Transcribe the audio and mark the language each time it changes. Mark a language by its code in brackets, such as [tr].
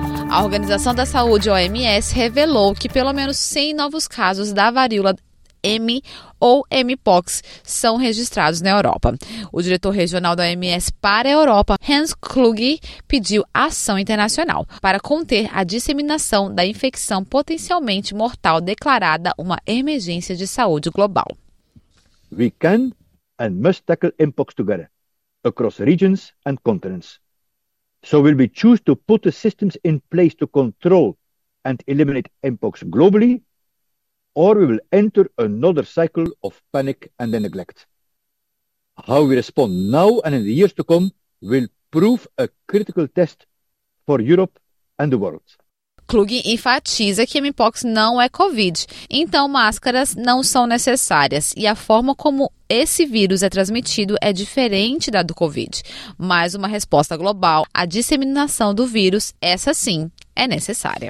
[pt] A Organização da Saúde, OMS, revelou que pelo menos 100 novos casos da varíola M ou Mpox são registrados na Europa. O diretor regional da OMS para a Europa, Hans Kluge, pediu ação internacional para conter a disseminação da infecção potencialmente mortal declarada uma emergência de saúde global. [en] We can and must tackle Mpox together, across regions and continents. So will we choose to put the systems in place to control and eliminate Mpox globally, or we will enter another cycle of panic and neglect? How we respond now and in the years to come will prove a critical test for Europe and the world. [pt] Kluge enfatiza que Mpox não é Covid, então máscaras não são necessárias e a forma como esse vírus é transmitido é diferente da do Covid. Mas uma resposta global à disseminação do vírus, essa sim, é necessária.